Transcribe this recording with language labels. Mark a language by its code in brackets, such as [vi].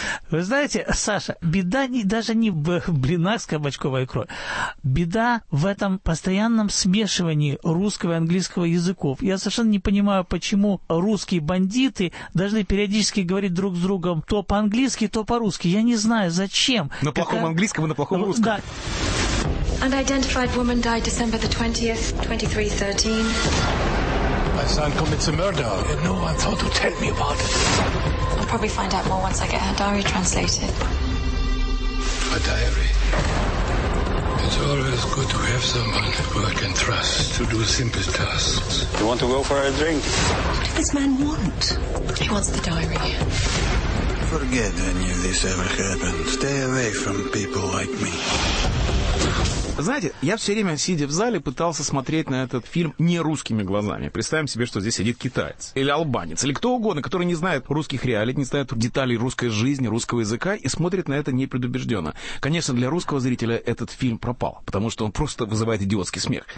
[ru] Вы знаете, Саша, беда даже не в блинах с кабачковой икрой. Беда в этом постоянном смешивании русского и английского языков. Я совершенно не понимаю, почему русские бандиты должны периодически говорить друг с другом то по-английски, то по-русски. Я не знаю, зачем. На плохом английском и на плохом русском. Да. [en] Unidentified woman died December 20th, 2313. My son commits a murder, and no one thought to tell me about it. I'll probably find out more once I get her diary translated. A diary. It's always good to have someone who I can trust to do simple tasks. You want to go for a drink? What did this man want? He wants the diary. Forget any of this ever happened. Stay away from people like me. [ru] Знаете, я все время, сидя в зале, пытался смотреть на этот фильм не русскими глазами. Представим себе, что здесь сидит китаец, или албанец, или кто угодно, который не знает русских реалий, не знает деталей русской жизни, русского языка, и смотрит на это непредубежденно. Конечно, для русского зрителя этот фильм пропал, потому что он просто вызывает идиотский смех.